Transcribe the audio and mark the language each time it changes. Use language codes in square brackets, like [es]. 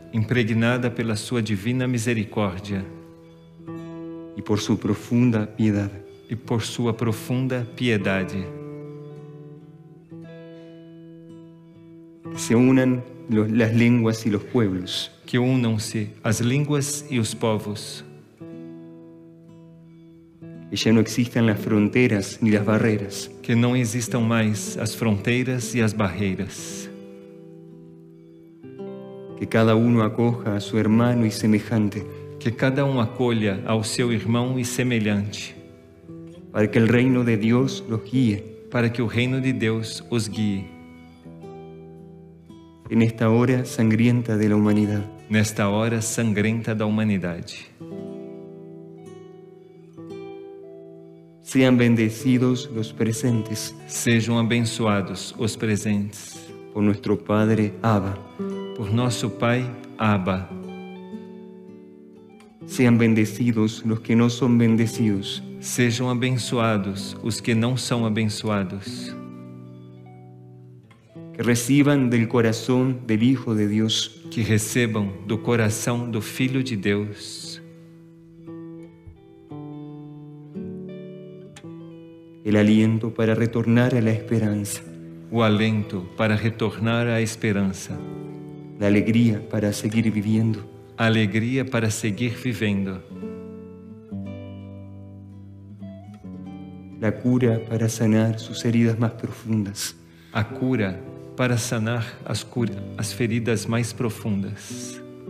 [pt] Impregnada pela sua divina misericordia. [es] Y por su profunda piedad. Y por su profunda piedad. Se unan las lenguas y los pueblos. [pt] Que unam-se as línguas e os povos. Que já não existam as fronteiras nem as barreiras. Que não existam mais as fronteiras e as barreiras. Que cada um acolha a seu irmão e semelhante. Que cada um acolha ao seu irmão e semelhante. Para que o reino de Deus os guie. Para que o reino de Deus os guie. [es] En esta hora sangrienta de la humanidad. [pt] Nesta hora sangrenta da humanidade. [es] Sean bendecidos los presentes. [pt] Sejam abençoados os presentes. [es] Por nuestro Padre Abba. [pt] Por nosso Pai Abba. [es] Sean bendecidos los que no son bendecidos. [pt] Sejam abençoados os que não são abençoados. [es] Que reciban del corazón del Hijo de Dios. [pt] Que recebam do coração do Filho de Deus. [es] El aliento para retornar a la esperanza. [pt] O alento para retornar à esperança. [es] La alegría para seguir viviendo. [pt] Alegria para seguir vivendo. [es] La cura para sanar sus heridas más profundas. [pt] A cura para sanar as feridas mais profundas.